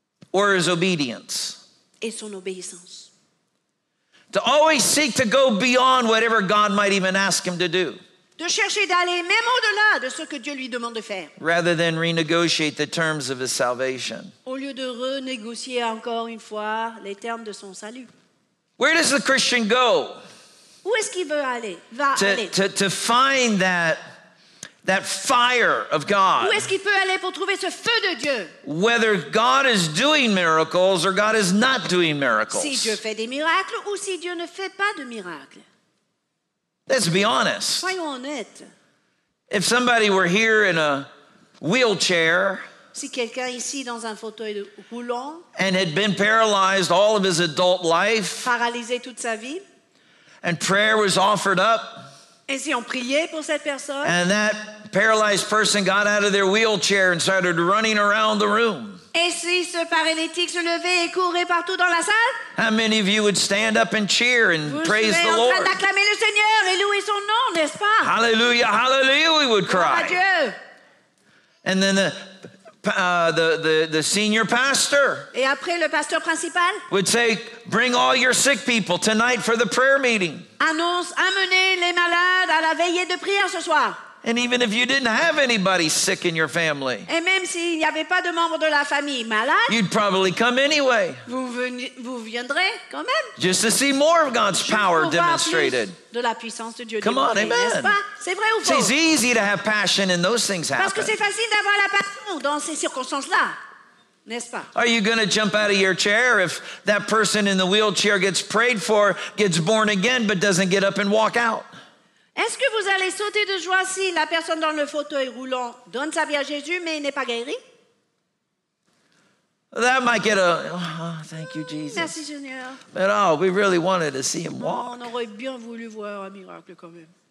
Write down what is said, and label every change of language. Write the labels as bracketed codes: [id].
[en] Or his obedience. [fr] Et son obéissance. [en] To always seek to go beyond whatever God might even ask him to do. [fr] De chercher d'aller même au-delà de ce que Dieu lui demande de faire. [en] Rather than renegotiate the terms of his salvation. [fr] Au lieu de renégocier encore une fois les termes de son salut. [en] Where does the Christian go? [fr] Où est-ce qu'il veut aller? [en] To find that fire of God. [fr] Où est-ce qu'il peut aller pour trouver ce feu de Dieu? [en] Whether God is doing miracles or God is not doing miracles. [fr] Si Dieu fait des miracles ou si Dieu ne fait pas de miracles. [en] Let's be honest. [fr] Soyons honnêtes. [en] If somebody were here in a wheelchair, [fr] si quelqu'un ici dans un fauteuil roulant, [en] and had been paralyzed all of his adult life, [fr] paralysé toute sa vie, [en] and prayer was offered up, [fr] et si on priait pour cette personne, [en] and that paralyzed person got out of their wheelchair and started running around the room, [fr] et si ce paralytique se levait et courait partout dans la salle? [en] How many of you would stand up and cheer and [fr] vous [en] praise the Lord? [fr] En train d'acclamer le Seigneur et louer son nom, n'est-ce pas? [en] Hallelujah, hallelujah, we would cry. [fr] Oh, Dieu. [en] And then the senior pastor, [fr] et après, le pasteur principal, [en] would say, bring all your sick people tonight for the prayer meeting. [fr] Annonce, amenez les malades à la veillée de prière ce soir. [en] And even if you didn't have anybody sick in your family, [fr] et même s'il n'y avait pas de membre de la famille malade, [en] you'd probably come anyway. [fr] Vous viendrez quand même. [en] Just to see more of God's power demonstrated. [fr] De la puissance de Dieu. [en] Come on, amen. [fr] N'est-ce pas? C'est vrai ou faux? [en] See, it's easy to have passion and those things happen. [fr] Parce que c'est facile d'avoir la passion dans ces circonstances-là. N'est-ce pas? [en] Are you going to jump out of your chair if that person in the wheelchair gets prayed for, gets born again, but doesn't get up and walk out? [fr] Est-ce que vous allez sauter de joie si la personne dans le fauteuil roulant donne sa vie à Jésus mais n'est pas guérie? [en] That might get a thank you Jesus. [fr] Merci Seigneur. [en] But oh, we really wanted to see him walk. [fr] On aurait bien voulu voir un miracle quand même.